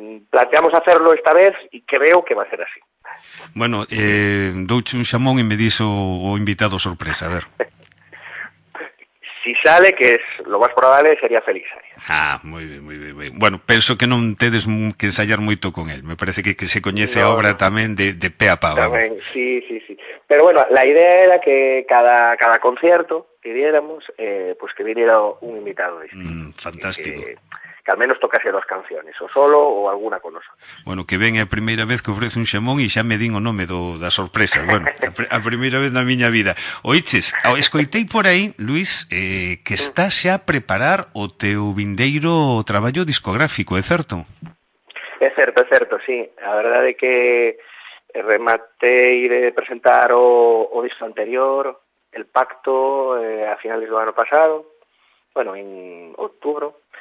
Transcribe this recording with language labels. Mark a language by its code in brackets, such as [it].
[es] Planteamos hacerlo esta vez y creo que va a ser así. [gl] Bueno, douche un chamón [es] y me dice [gl] o invitado sorpresa, a ver. [es] Si sale, que es lo más probable, sería Félix Arias. Ah, muy bien. [gl] Bueno, penso que non tedes que ensayar moito con él. Me parece que se coñece a obra tamén de pe a pa. [es] Sí. Pero bueno, la idea era que cada concierto que diéramos, pues que viniera un invitado. Fantástico. Que al menos tocase dos canciones, o solo o alguna con nosotros. [gl] Bueno, que ven a primeira vez que ofrece un xamón e xa me din o nome da sorpresa. Bueno, a primeira vez na miña vida. Oiches, escoitei por aí, Luis, que estás xa a preparar o teu vindeiro traballo discográfico, é certo? É certo, sí. A verdade é que rematei de presentar o disco anterior, El Pacto, a finales do ano pasado, bueno, en outubro.